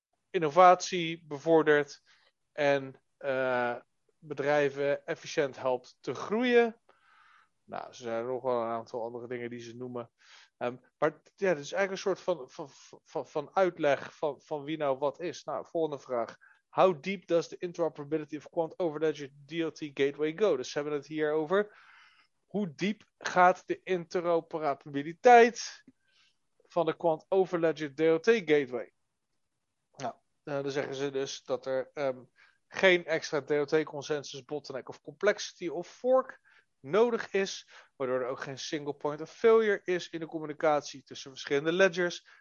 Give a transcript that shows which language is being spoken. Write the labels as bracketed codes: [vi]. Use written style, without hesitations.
[nl] Innovatie bevordert en bedrijven efficiënt helpt te groeien. Nou, ze zijn nog wel een aantal andere dingen die ze noemen. Maar ja, het is eigenlijk een soort van uitleg van wie nou wat is. Nou, volgende vraag. [en] How deep does the interoperability of Quant Overledger DLT Gateway go? [nl] Dus ze hebben het hier over. Hoe diep gaat de interoperabiliteit van de Quant Overledger DLT Gateway? Nou, dan zeggen ze dus dat er geen extra DLT consensus, bottleneck of complexity of fork nodig is, waardoor er ook geen single point of failure is in de communicatie tussen verschillende ledgers.